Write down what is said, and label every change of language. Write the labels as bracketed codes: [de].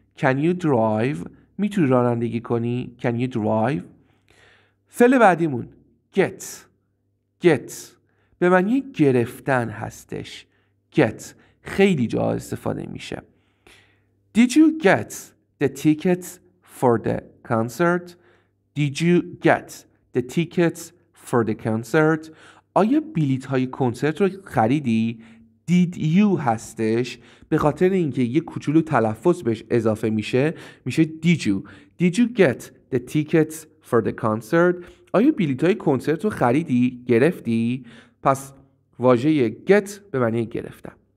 [en] Can you drive؟ [fa] میتونی رانندگی کنی؟ Can you drive؟ فعل بعدیمون get به معنی گرفتن هستش. Get خیلی جا استفاده میشه. [en] Did you get the tickets for the concert? Did you get the tickets for the concert? [fa] آیا بلیط های کنسرت رو خریدی؟ [en] Did you هستش، به خاطر اینکه یه کوچولو تلفظ بهش اضافه میشه میشه Did you get the tickets for the concert؟ [fa] آیا بلیط های کنسرت رو خریدی؟ گرفتی؟ پس واژه get به معنی گرفتن.